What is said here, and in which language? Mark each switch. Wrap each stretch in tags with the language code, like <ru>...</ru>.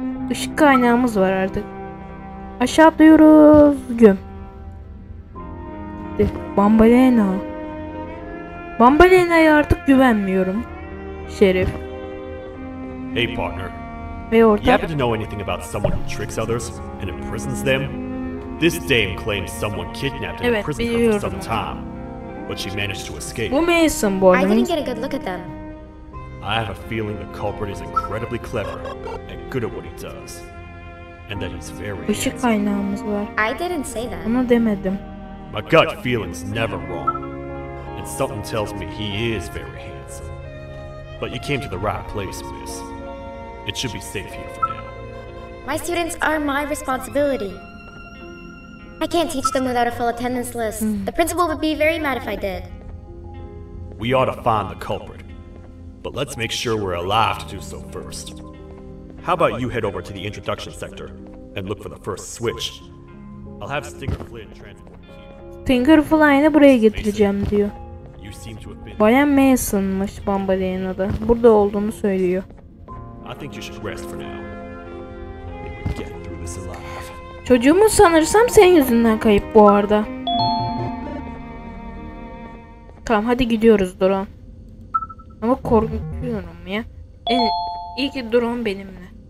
<tr>Işık kaynağımız var artık. Aşağı atlıyoruz. Güm. Gitti. Bambalena. Bambalena'ya artık güvenmiyorum. Şerif.</tr> <en>Hey partner.</en> <tr>Ve ortak.</tr> <en>You happen to know anything about someone who tricks others and imprisons them? This dame claims someone kidnapped her</en> <tr>evet,</tr> <en>in prison</en> <tr>biliyorum.</tr> <en>For some time, but she managed to escape.</en> <tr>Bu Mason, bu arada.</tr> <en>I didn't get a good look at them. I have a feeling the culprit is incredibly clever and good at what he does, and that he's very.</en> <tr>Işık kaynağımız var.</tr> <en>I didn't say that.</en> <tr>Onu demedim.</tr> <en>My gut feeling's never wrong, and something tells me he is very handsome. But you came to the right place, miss. It should be safe here for now. My students are my responsibility. I can't teach them without a full attendance list. The principal would be very mad if I did. We ought to find the culprit. But let's make sure we're alive to do so first. How about you head over to the introduction sector and look for the first switch? I'll have Stinger Flynn transport you.</en> <tr>Stinger Flynn'ı buraya getireceğim diyor. Bayan Mason'mış Bombay'ın adı. Burada olduğunu söylüyor.</tr> <en>I think you should rest for now. Maybe we get through this alive.</en> <tr>Çocuğumu sanırsam senin yüzünden kayıp bu arada. Tamam hadi gidiyoruz drone. Ama korkuyorum ya. İyi ki drone benimle.</tr>